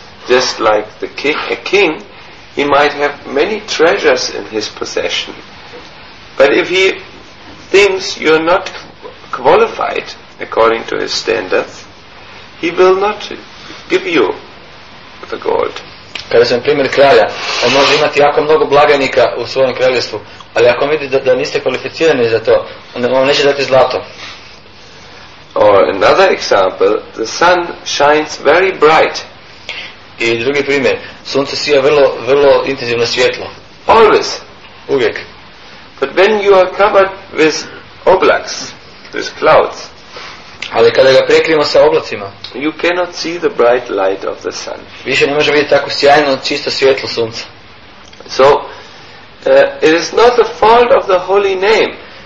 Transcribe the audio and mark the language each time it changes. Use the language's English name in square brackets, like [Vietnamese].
[English] Just like the king, a king, he might have many treasures in his possession, but if he thinks you're not qualified according to his standards, he will not give you the gold. [Croatian] Kada sam primjer kralja, on može imati jako mnogo blagajnika u svojem kraljestvu, ali ako vidi da niste kvalificirani za to, on neće dati zlato. [English] Or another example, the sun shines very bright. [Croatian] I drugi primjer, sunce sija vrlo, vrlo intenzivno svjetlo. [English] Always. [Croatian] Uvijek. [English] But when you are covered with oblaks, with clouds, [Croatian] ali kada ga prekrijemo sa oblacima, [English] you cannot see the bright light of the sun. [Croatian] Više ne možemo vidjeti tako sjajno čisto svjetlo sunca. [English] So it is not the fault of the holy name.